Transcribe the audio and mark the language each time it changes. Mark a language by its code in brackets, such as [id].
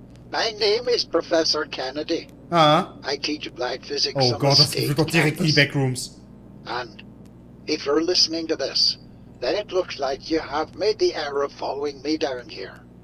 [en] My name is Professor Kennedy. Ah. I teach applied physics. [de] Oh Gott, das ist doch direkt in die Backrooms. [en] And if you're listening to this, then it looks like you have made the error of following me down here.